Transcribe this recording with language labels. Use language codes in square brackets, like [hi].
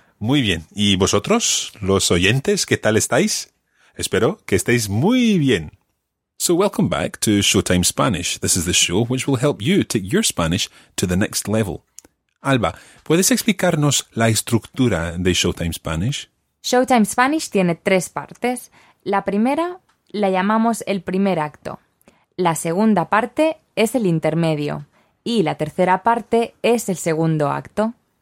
[es] Muy bien, ¿y vosotros, los oyentes, qué tal estáis? Espero que estéis muy bien. [en] So welcome back to Showtime Spanish. This is the show which will help you take your Spanish to the next level. [es] Alba, ¿puedes explicarnos la estructura de Showtime Spanish? Showtime Spanish tiene tres partes. La primera la llamamos el primer acto. La segunda parte es el intermedio. Y la tercera parte es el segundo acto.